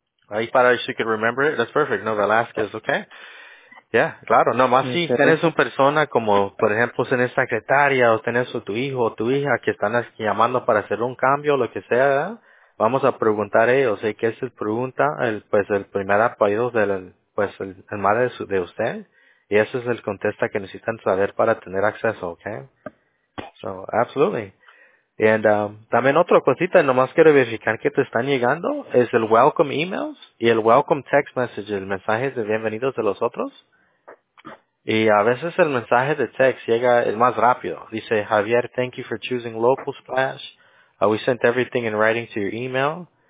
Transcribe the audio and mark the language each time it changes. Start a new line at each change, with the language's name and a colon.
English: I thought she could remember it. That's perfect.
Spanish: No, Velázquez, okay. Yeah, claro. No, más si tienes una persona como, por ejemplo, tienes secretaria o tienes tu hijo o tu hija que están llamando para hacer un cambio o lo que sea, ¿verdad? Vamos a preguntar a ellos, ¿qué es la pregunta? El primer apellido del, pues, el madre de, su, de usted. Y ese es el contesta que necesitan saber para tener acceso, okay.
English: So, absolutely.
Spanish: And también otra cosita, nomás quiero verificar que te están llegando, es el welcome emails y el welcome text message, el mensaje de bienvenidos de los otros. Y a veces el mensaje de text llega el más rápido. Dice,
English: Javier, thank you for choosing Local Splash. We sent everything in writing to your email.